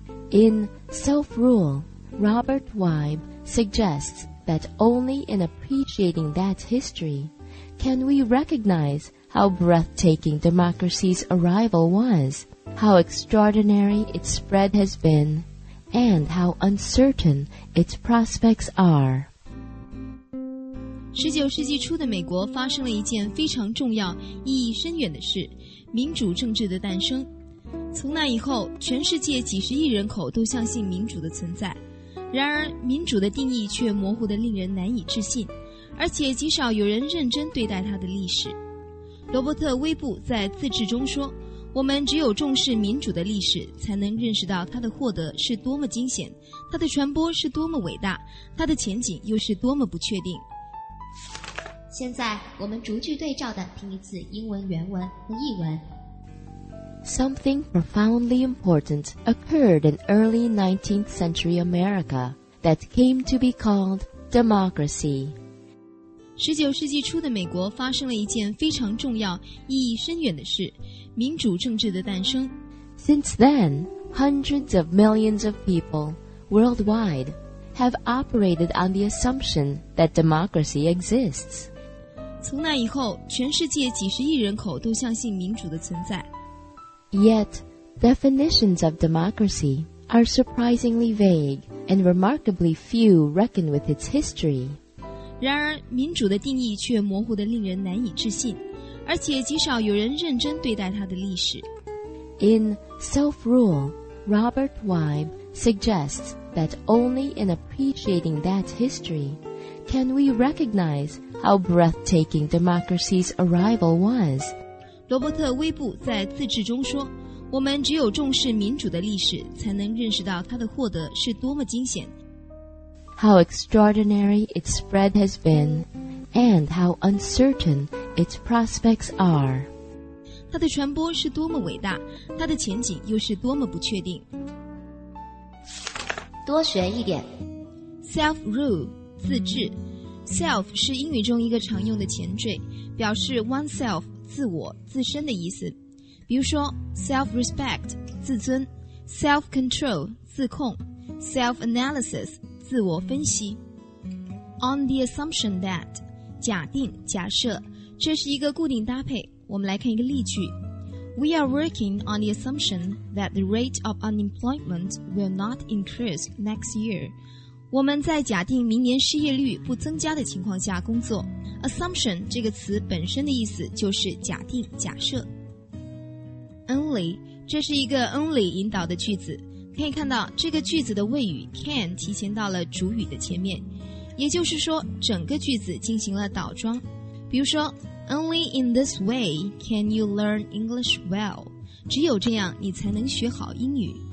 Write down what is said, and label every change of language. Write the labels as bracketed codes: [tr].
[en] In Self-Rule, Robert Weib suggests that only in appreciating that history can we recognize how breathtaking democracy's arrival was, how extraordinary its spread has been, and how uncertain its prospects are. [zh] 19世纪初的美国发生了一件非常重要、意义深远的事，民主政治的诞生。从那以后，全世界几十亿人口都相信民主的存在。然而民主的定义却模糊得令人难以置信，而且极少有人认真对待它的历史。罗伯特·威布在《自治》中说，我们只有重视民主的历史，才能认识到它的获得是多么惊险，它的传播是多么伟大，它的前景又是多么不确定。现在我们逐句对照的听一次英文原文和译文。 [en] Something profoundly important occurred in early 19th century America that came to be called democracy. [zh] 19世纪初的美国发生了一件非常重要、意义深远的事，民主政治的诞生。 [en] Since then, hundreds of millions of people worldwide have operated on the assumption that democracy exists. [zh] 从那以后，全世界几十亿人口都相信民主的存在。 [en] Yet, definitions of democracy are surprisingly vague and remarkably few reckon with its history. [zh] 然而民主的定义却模糊得令人难以置信，而且极少有人认真对待它的历史。 [en] In Self-Rule, Robert Weib suggests that only in appreciating that history can we recognize how breathtaking democracy's arrival was. [zh] 罗伯特·威布在《自治》中说，我们只有重视民主的历史，才能认识到它的获得是多么惊险。 [en] How extraordinary its spread has been, and how uncertain its prospects are. [zh] 它的传播是多么伟大，它的前景又是多么不确定。多学一点。 [en] Self-rule, [zh] 自治。 Self 是英语中一个常用的前缀，表示 oneself,自我、自身的意思，比如说 self-respect 自尊、 self-control 自控、 self-analysis 自我分析。 [en] On the assumption that [zh] 假定、假设，这是一个固定搭配，我们来看一个例句。 [en] We are working on the assumption that the rate of unemployment will not increase next year. [zh] 我们在假定明年失业率不增加的情况下工作。 Assumption 这个词本身的意思就是假定、假设。 Only 这是一个 only 引导的句子，可以看到这个句子的谓语 can 提前到了主语的前面，也就是说整个句子进行了倒装。比如说 [en] Only in this way can you learn English well. [zh] 只有这样你才能学好英语。